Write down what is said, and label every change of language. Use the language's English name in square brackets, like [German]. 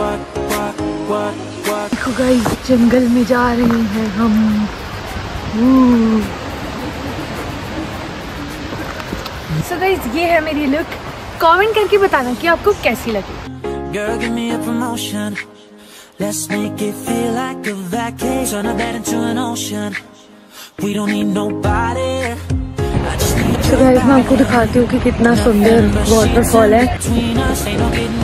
[Hindi] देखो गाइस, जंगल में जा रहे हैं हम। सो गाइस, ये है मेरी लुक। कमेंट करके बताना कि आपको कैसी लगी। [English] Girl, give me a promotion. Let's make it feel like a vacation. Turn a bed into an ocean. We don't need nobody. [Hindi] So guys, मैं आपको दिखाती हूँ कि कितना सुंदर वॉटरफॉल है।